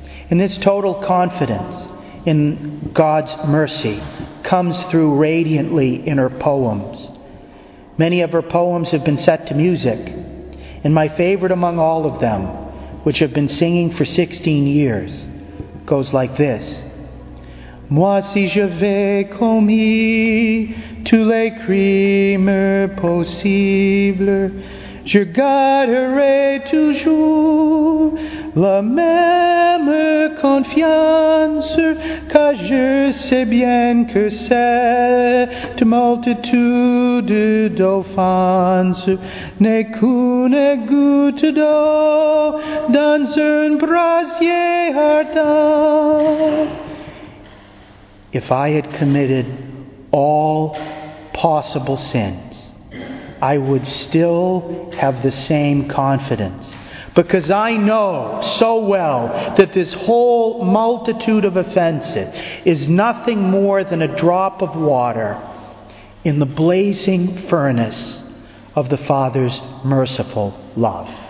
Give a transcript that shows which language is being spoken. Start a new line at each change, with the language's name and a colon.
English: And this total confidence in God's mercy comes through radiantly in her poems. Many of her poems have been set to music, and my favorite among all of them, which I've been singing for 16 years, goes like this.
French: Moi si je vais commis tous les crimes possibles, je garderai toujours la même confiance, car je sais bien que cette multitude d'offenses n'est qu'une goutte d'eau dans un brasier ardent.
English: If I had committed all possible sins, I would still have the same confidence, because I know so well that this whole multitude of offenses is nothing more than a drop of water in the blazing furnace of the Father's merciful love.